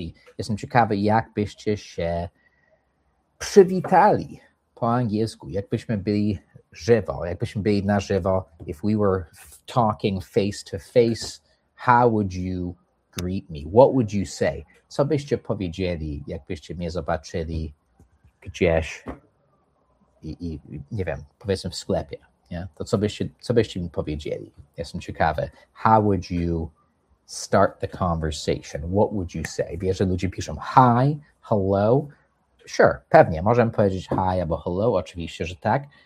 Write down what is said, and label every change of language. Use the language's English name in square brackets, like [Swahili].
[Polish] I jestem ciekawy, jak byście się przywitali po angielsku, jakbyśmy byli żywo, jakbyśmy byli na żywo, [English] if we were talking face to face. How would you greet me? What would you say? [Polish] Co byście powiedzieli, jakbyście mnie zobaczyli gdzieś i nie wiem, powiedzmy w sklepie, nie? To co byście mi powiedzieli? Jestem ciekawy. [English] How would you start the conversation? What would you say? [Polish] Wiesz, że ludzie piszą hi, hello. Sure, pewnie, możemy powiedzieć hi albo hello, oczywiście, że tak.